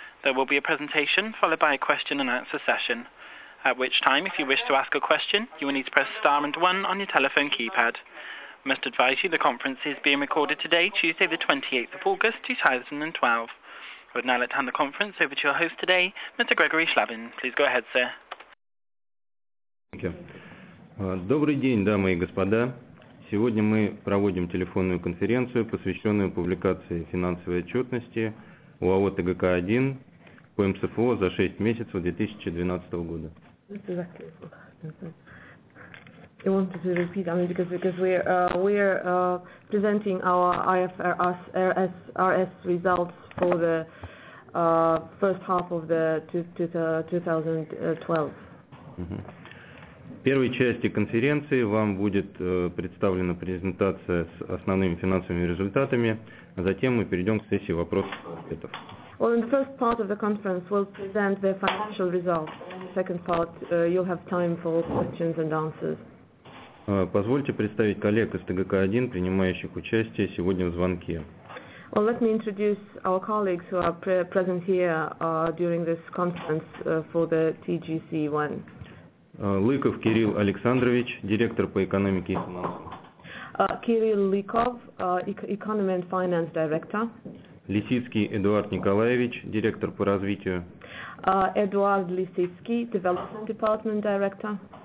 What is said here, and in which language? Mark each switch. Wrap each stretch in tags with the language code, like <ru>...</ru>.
<en>There will be a presentation followed by a question and answer session. At which time, if you wish to ask a question, you will need to press star and one on your telephone keypad. Must advise you the conference is being recorded today, Tuesday the 28th of August, 2012. I would now like to hand the conference over to your host today, Mr. Gregory Slavin. Please go ahead, sir. Thank you.</en> <ru>Добрый день, дамы и господа. Сегодня мы проводим телефонную конференцию, посвященную публикации финансовой отчетности УАО ТГК-1 по МСФО за 6 месяцев 2012 года.</ru> <en>Exactly. You want to repeat? I mean, because we're presenting our IFRS results for the first half of 2012.</en> <ru>В первой части конференции вам будет представлена презентация с основными финансовыми результатами, а затем мы перейдем к сессии вопросов и ответов.</ru> <en>Well, in the first part of the conference, we'll present the financial results. In the second part, you'll have time for questions and answers.</en> <ru>Позвольте представить коллег из ТГК-1, принимающих участие сегодня в звонке.</ru> <en>Well, let me introduce our colleagues who are present here during this conference for the TGC-1.</en> <ru>Лыков Кирилл Александрович, директор по экономике и финансам.</ru> <en>Кирилл Лыков, Economy and Finance Director.</en> <ru>Лисицкий Эдуард Николаевич, директор по развитию.</ru> <en>Эдуард Лисицкий, Development Department Director.</en>